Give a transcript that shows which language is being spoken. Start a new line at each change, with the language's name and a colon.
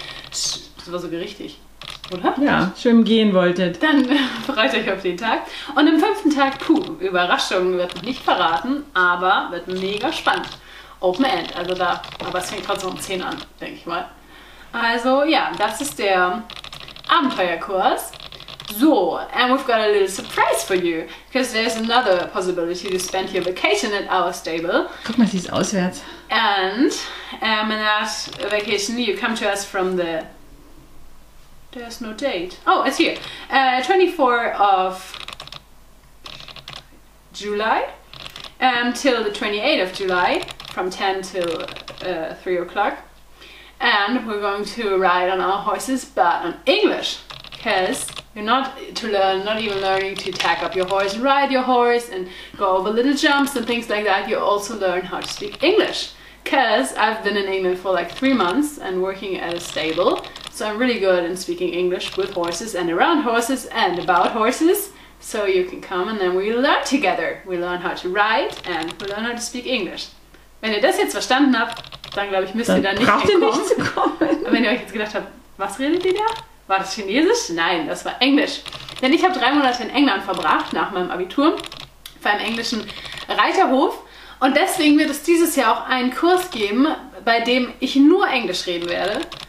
German: Das war so richtig. Oder? Ja, schwimmen gehen wolltet. Dann freut euch auf den Tag. Und am fünften Tag, puh, Überraschung wird noch nicht verraten, aber wird mega spannend. Open End, also da, aber es fängt trotzdem um 10 an, denke ich mal. Also ja, das ist der Abenteuerkurs.
English: So, and we've got a little surprise for you, because there's another possibility to spend your vacation at our stable.
German: Guck mal, sie ist auswärts.
English: And in that vacation, you come to us from the There's no date. Oh, it's here. 24 of July. till the 28th of July, from 10 till 3 o'clock. And we're going to ride on our horses, but on English. Because you're not even learning to tack up your horse and ride your horse and go over little jumps and things like that. You also learn how to speak English. Because I've been in England for like 3 months and working at a stable. So I'm really good in speaking English with horses and around horses and about horses. So you can come and then we learn together. We learn how to ride and we learn how to speak English.
German: Wenn ihr das jetzt verstanden habt, dann glaube ich, müsst ihr dann nicht hinkommen. Wenn ihr euch jetzt gedacht habt, was redet ihr da? War das Chinesisch? Nein, das war Englisch. Denn ich habe 3 Monate in England verbracht nach meinem Abitur bei einem englischen Reiterhof. Und deswegen wird es dieses Jahr auch einen Kurs geben, bei dem ich nur Englisch reden werde.